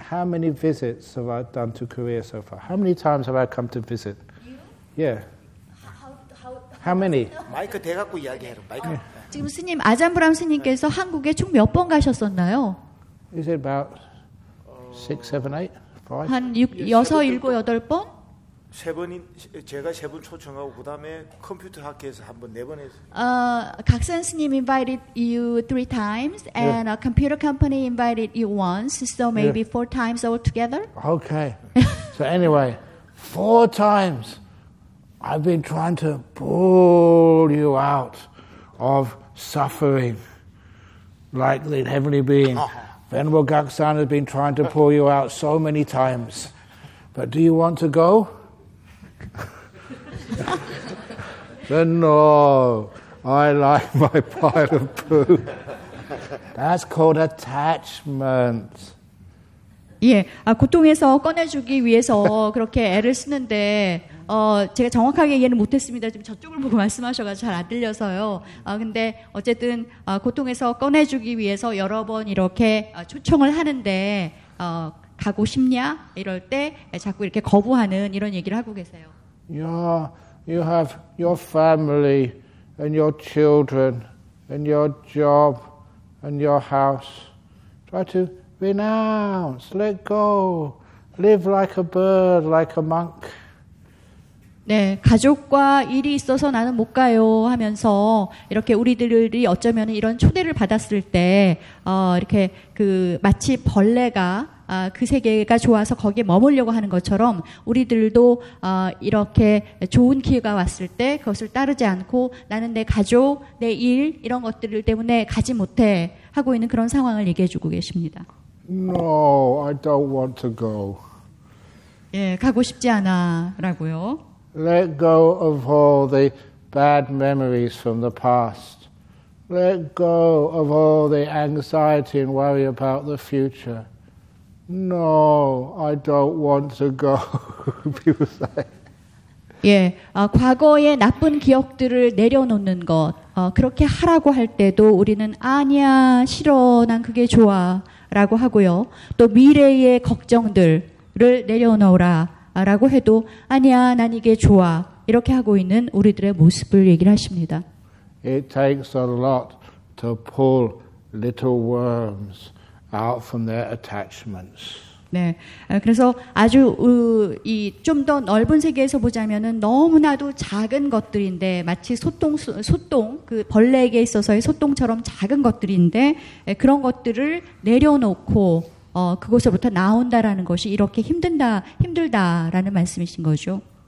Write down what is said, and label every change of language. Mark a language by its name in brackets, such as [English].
[English] How many visits have I done to Korea so far? How many times have I come to visit? You? Yeah. How many? [Korean] 마이크 대갖고 이야기해라. 마이크. 지금 스님 아잠브람 스님께서 한국에 총 몇 번 가셨었나요? [English] Is it about 6, 7, 8, 5? [Korean] 한 6, 6, 7, 8 번? 세 번이 제가 세 번 초청하고 그다음에 컴퓨터 학회에서 한 번 네 번 해서. [English] 각선 스님 invited you 3 times and yeah. a computer company invited you once, so maybe yeah. 4 times altogether. Okay. So anyway, 4 times I've been trying to pull you out. Of suffering, like the heavenly being. Venerable Gaksan has been trying to pull you out so many times. But do you want to go? Then no, I like my pile of poo. That's called attachment. [Korean] 예, 아, 고통에서 꺼내주기 위해서 그렇게 애를 쓰는데 제가 정확하게 이해는 못했습니다. 지금 저쪽을 보고 말씀하셔가지고 잘 안 들려서요. 근데 어쨌든 고통에서 꺼내주기 위해서 여러 번 이렇게 초청을 하는데 가고 싶냐 이럴 때 자꾸 이렇게 거부하는 이런 얘기를 하고 계세요. [English] You have your family and your children and your job and your house. Try to renounce, let go, live like a bird, like a monk. [Korean] 네, 가족과 일이 있어서 나는 못 가요 하면서 이렇게 우리들이 어쩌면 이런 초대를 받았을 때 이렇게 그 마치 벌레가 그 세계가 좋아서 거기에 머물려고 하는 것처럼 우리들도 이렇게 좋은 기회가 왔을 때 그것을 따르지 않고 나는 내 가족, 내 일 이런 것들 때문에 가지 못해 하고 있는 그런 상황을 얘기해 주고 계십니다. [English] No, I don't want to go. [Korean] 예, 가고 싶지 않아라고요. [English] Let go of all the bad memories from the past. Let go of all the anxiety and worry about the future. No, I don't want to go. People say. [Korean] 예, 과거의 나쁜 기억들을 내려놓는 것. 그렇게 하라고 할 때도 우리는 아니야, 싫어, 난 그게 좋아. 라고 하고요. 또 미래의 걱정들을 내려놓으라. 라고 해도 아니야 난 이게 좋아 이렇게 하고 있는 우리들의 모습을 얘기를 하십니다. [English] It takes a lot to pull little worms out from their attachments. [Korean] 네, 그래서 아주 이 좀 더 넓은 세계에서 보자면은 너무나도 작은 것들인데 마치 소똥 그 벌레에게 있어서의 소똥처럼 작은 것들인데 그런 것들을 내려놓고. 그곳에서부터 나온다라는 것이 이렇게 힘들다라는 말씀이신 거죠.